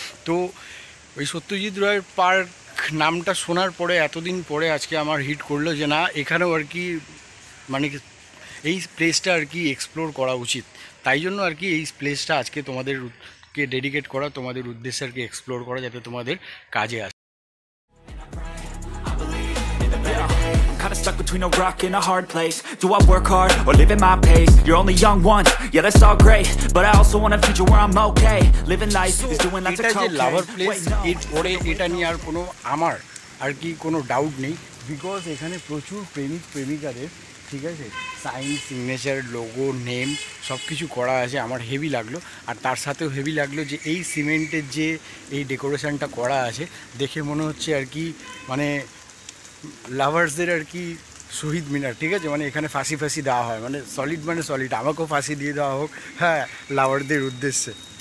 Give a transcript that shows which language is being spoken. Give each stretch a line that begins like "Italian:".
Bangla: তো ওই সত্যজিৎ রায় পার্ক নামটা শোনার পরে এতদিন পরে আজকে আমার হিট করলো যে না, এখানেও আর কি মানে এই প্লেসটা আর কি এক্সপ্লোর করা উচিত, তাই জন্য আর কি এই প্লেসটা আজকে তোমাদেরকে ডেডিকেট করা, তোমাদের উদ্দেশ্যে আর কি এক্সপ্লোর করা, যাতে তোমাদের কাজে আসে।
English: Stuck between a rock and a hard place. Do I work hard or live at my pace? You're only young once, yeah that's all great, but I also want a future where I'm okay. Living life is doing lots of cocaine.
Bangla: এটা যে লাভার place, এর পরে এটা নিয়ে আর কোনো আমার আর কি কোনো ডাউট নেই, বিকজ এখানে প্রচুর প্রেমিক প্রেমিকাদের, ঠিক আছে, সাইন, সিগনেচার, লোগো, নেম সব কিছু করা আছে, আমার হেভি লাগলো। আর তার সাথেও হেভি লাগলো যে এই সিমেন্টের যে এই ডেকোরেশনটা করা আছে, দেখে মনে হচ্ছে আর কি মানে লাভার্সদের আর কি শহীদ মিনার, ঠিক আছে, মানে এখানে ফাঁসি ফাঁসি দেওয়া হয়, মানে সলিড মানে সলিড, আমাকেও ফাঁসি দিয়ে দেওয়া হোক, হ্যাঁ লাভারদের উদ্দেশ্যে।